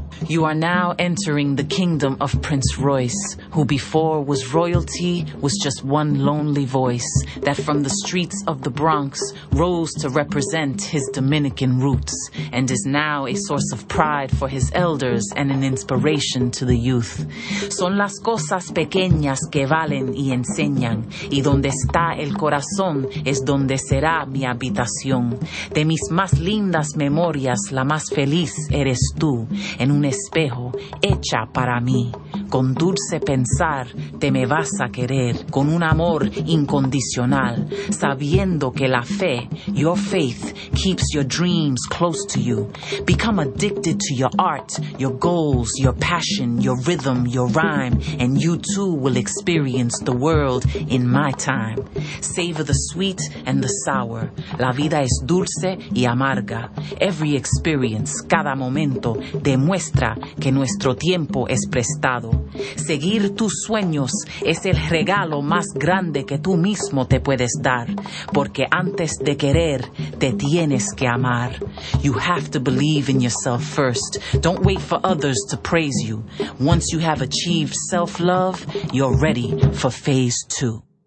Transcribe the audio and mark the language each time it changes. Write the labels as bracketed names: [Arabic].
[English] You are now entering the kingdom of Prince Royce, who before was royalty, was just one lonely voice that from the streets of the Bronx rose to represent his Dominican roots and is now a source of pride for his elders and an inspiration to the youth. [Spanish] Son las cosas pequeñas que valen y enseñan, y donde está el corazón es donde será mi habitación. De mis más lindas memorias, la más feliz eres tú, en un espejo hecha para mí. Con dulce pensar, te me vas a querer, con un amor incondicional, sabiendo que la fe, [English] your faith, keeps your dreams close to you. Become addicted to your art, your goals, your passion, your rhythm, your rhyme, and you too will experience the world in my time. Savor the sweet and the sour. [Spanish] La vida es dulce y amarga. [English] Every experience, [Spanish] cada momento, demuestra que nuestro tiempo es prestado. Seguir tus sueños es el regalo más grande que tú mismo te puedes dar, porque antes de querer, te tienes que amar. [English] You have to believe in yourself first. Don't wait for others to praise you. Once you have achieved self-love, you're ready for phase two.